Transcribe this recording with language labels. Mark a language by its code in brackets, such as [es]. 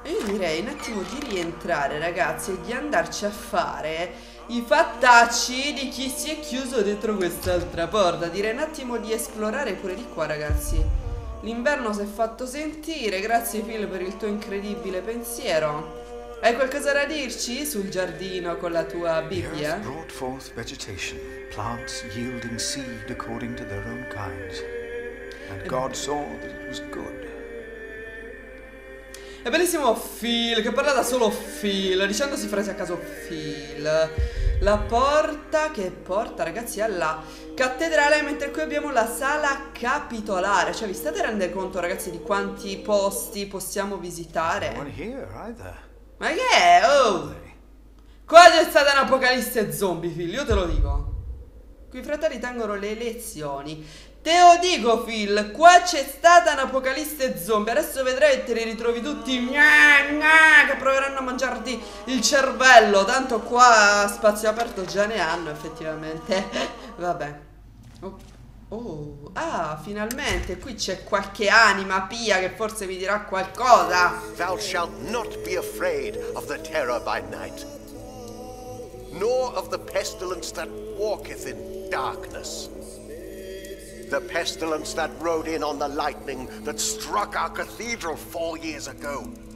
[it] E io direi un attimo di rientrare, ragazzi, e di andarci a fare i fattacci di chi si è chiuso dentro quest'altra porta. Direi un attimo di esplorare pure di qua, ragazzi. L'inverno si è fatto sentire. Grazie Phil per il tuo incredibile pensiero. Hai qualcosa da dirci sul giardino con la tua Bibbia? [en] He has brought forth vegetation, plants yielding seed according to their own kind. And God saw that it was good. [it] È bellissimo Phil, che parla da solo Phil, dicendosi frasi a caso Phil. La porta che porta, ragazzi, alla cattedrale, mentre qui abbiamo la sala capitolare. Cioè, vi state rendendo conto, ragazzi, di quanti posti possiamo visitare? [en] Non here either. [it] Ma che è? Oh! Quasi è stata un'apocalisse zombie, Phil, io te lo dico. Qui i fratelli tengono le lezioni. Te lo dico, Phil, qua c'è stata un'apocalisse zombie. Adesso vedrai e te li ritrovi tutti gna, gna, che proveranno a mangiarti il cervello. Tanto qua spazio aperto già ne hanno, effettivamente. Vabbè. Oh, finalmente qui c'è qualche anima pia che forse mi dirà qualcosa. [en] Thou shalt not be afraid of the terror by night, nor of the pestilence that walketh in darkness. The pestilence that rode in on the lightning that struck our cathedral 4 years ago.